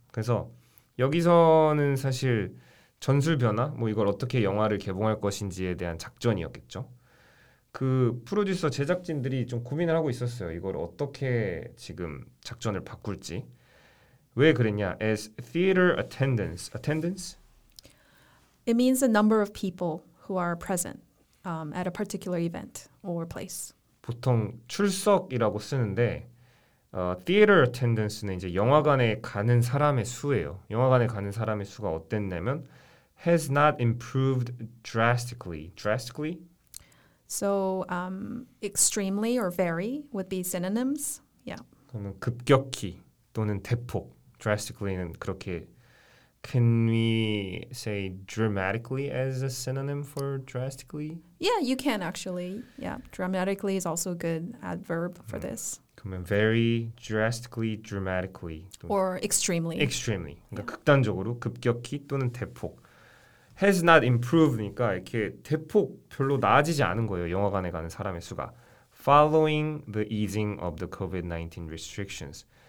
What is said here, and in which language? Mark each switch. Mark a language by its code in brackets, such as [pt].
[ko] 그래서 여기서는 사실 전술 변화, 뭐 이걸 어떻게 영화를 개봉할 것인지에 대한 작전이었겠죠. 그 프로듀서 제작진들이 좀 고민을 하고 있었어요. 이걸 어떻게 지금 작전을 바꿀지. 왜 그랬냐? [en] As theater attendance. Attendance? It means the number of people who are present at a particular event or place. [ko] 보통 출석이라고 쓰는데 theater attendance는 이제 영화관에 가는 사람의 수예요. 영화관에 가는 사람의 수가 어땠냐면 [en] has not improved drastically. Drastically? So extremely or very would be synonyms. Yeah. [ko] 그러면 급격히 또는 대폭. [en] Drastically는 [ko] 그렇게 [en] can we say dramatically as a synonym for drastically? Yeah, you can actually. Yeah, dramatically is also a good adverb for this. [ko] 그러면 [en] very drastically, dramatically. Or extremely. Extremely. [ko] 그러니까 [en] yeah. [ko] 극단적으로 급격히 또는 대폭. [en] Has not improved [ko] 니까 이렇게 대폭 별로 나아지지 않은 거예요. 영화관에 가는 사람의 수가. [en] Following the easing of the COVID-19 restrictions.